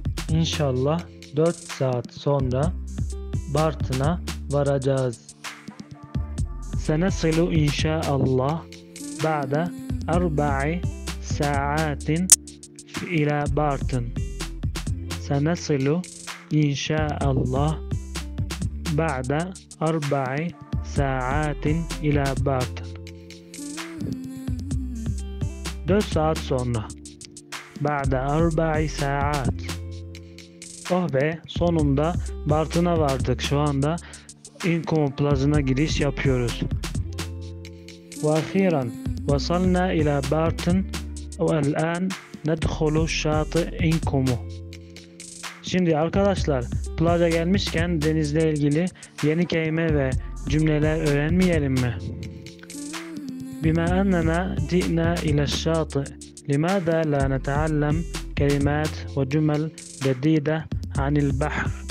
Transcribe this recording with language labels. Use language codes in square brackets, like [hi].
[tr] İnşallah 4 saat sonra Bartın'a varacağız. [ar] Senasilu inşallah ba'da 4 ساعات إلى بارتن. سنصل إن شاء الله بعد 4 ساعات إلى بارتن. 4 ساعات [tr] sonra. [ar] بعد 4 ساعات. [tr] Oh be, sonunda Bartın'a vardık. Şu anda İnkom Plaza'na giriş yapıyoruz. [ar] وأخيرا وصلنا إلى بارتن والآن ندخل الشاطئ إنكومو. [tr] Şimdi arkadaşlar, plaja gelmişken denizle ilgili yeni kelime ve cümleler öğrenmeyelim mi? [ar] بما أننا جئنا إلى الشاطئ لماذا لا نتعلم كلمات وجمل جديدة عن البحر؟